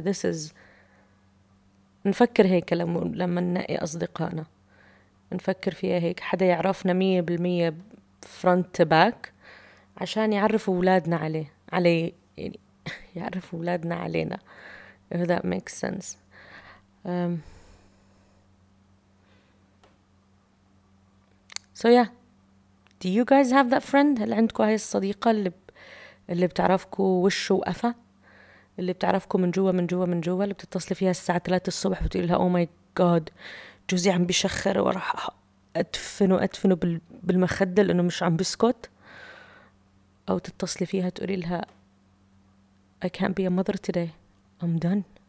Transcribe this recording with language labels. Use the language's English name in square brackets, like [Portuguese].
[English] This is [Arabic] نفكر هيك لما ننقي أصدقائنا, نفكر فيها هيك, حدا يعرفنا 100% [English] front to back [Arabic] عشان يعرفوا أولادنا علي يعني يعرفوا أولادنا علينا, [English] if that makes sense. So yeah, do you guys have that friend? [Arabic] هل عندكم هاي الصديقة اللي بتعرفكم وش وقفة, اللي بتعرفكم من جوا من جوا من جوا, اللي بتتصل فيها الساعة 3 الصبح بتقول لها [English] oh my god [Arabic] جوزي عم بيشخر وراح أدفنه بالمخدة لأنه مش عم بيسكت, أو تتصلي فيها تقولي لها [English] I can't be a mother today I'm done,